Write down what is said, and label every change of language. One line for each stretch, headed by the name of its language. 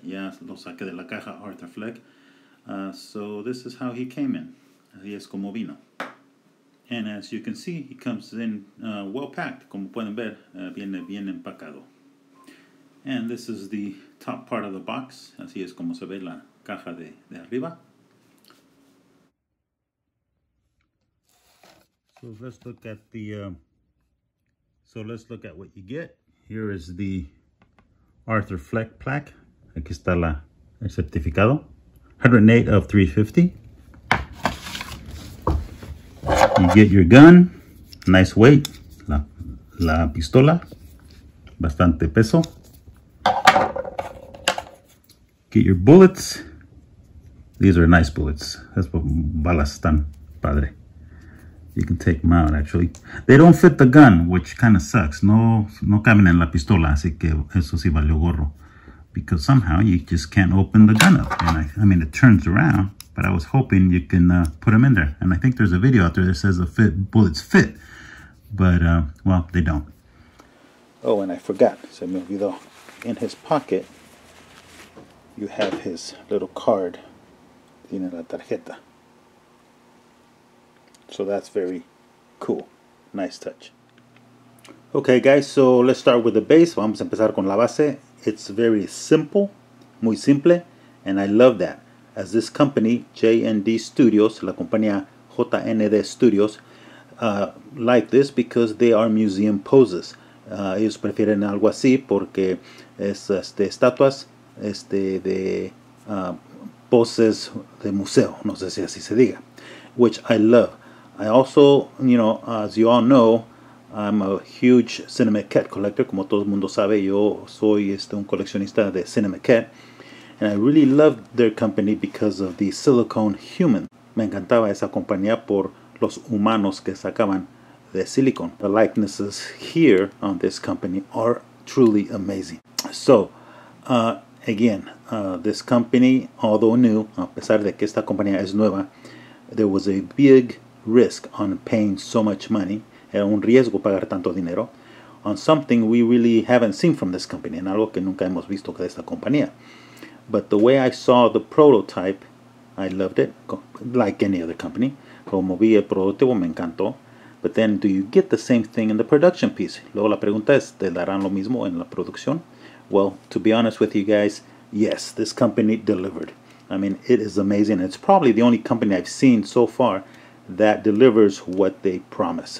English: Yeah,
Spanish: lo saqué de la caja, Arthur Fleck.
English: So this is how he came in.
Spanish: Así es como vino.
English: And as you can see, he comes in well packed.
Spanish: Como pueden ver, viene bien empacado.
English: And this is the top part of the box.
Spanish: Así es como se ve la caja de arriba.
English: So let's look at the. Let's look at what you get. Here is the Arthur Fleck plaque.
Spanish: Aquí está la el certificado.
English: 108 of 350. You get your gun. Nice weight.
Spanish: La pistola. Bastante peso.
English: Get your bullets. These are nice bullets. That's what
Spanish: balas están padre.
English: You can take them out, actually. They don't fit the gun, which kind of sucks.
Spanish: No caben en la pistola, así que eso sí valió gorro.
English: Because somehow you just can't open the gun up. And I mean, it turns around, but I was hoping you can put them in there. And I think there's a video out there that says the bullets fit. But, well, they don't. Oh, and I forgot.
Spanish: Se me olvidó.
English: In his pocket, you have his little card.
Spanish: Tiene la tarjeta.
English: So that's very cool. Nice touch. Okay, guys, so let's start with the base.
Spanish: Vamos a empezar con la base.
English: It's very simple,
Spanish: muy simple,
English: and I love that. As this company, JND Studios,
Spanish: la compañía JND Studios,
English: like this because they are museum poses.
Spanish: Ellos prefieren algo así porque es estatuas de poses de museo. No sé si así se diga,
English: which I love. I also, you know, as you all know, I'm a huge CinemaCat collector.
Spanish: Como todo el mundo sabe, yo soy un coleccionista de CinemaCat.
English: And I really loved their company because of the silicone human.
Spanish: Me encantaba esa compañía por los humanos que sacaban de silicone.
English: The likenesses here on this company are truly amazing. So, again, this company, although new,
Spanish: a pesar de que esta compañía es nueva,
English: there was a big risk on paying so much money,
Spanish: era un riesgo pagar tanto dinero,
English: on something we really haven't seen from this company,
Spanish: en algo que nunca hemos visto de esta compañía.
English: But the way I saw the prototype, I loved it, like any other company.
Spanish: Como vi el prototipo, me encantó.
English: But then, do you get the same thing in the production piece?
Spanish: Luego la pregunta es, ¿te darán lo mismo en la producción?
English: Well, to be honest with you guys, yes, this company delivered. I mean, it is amazing. It's probably the only company I've seen so far that delivers what they promise.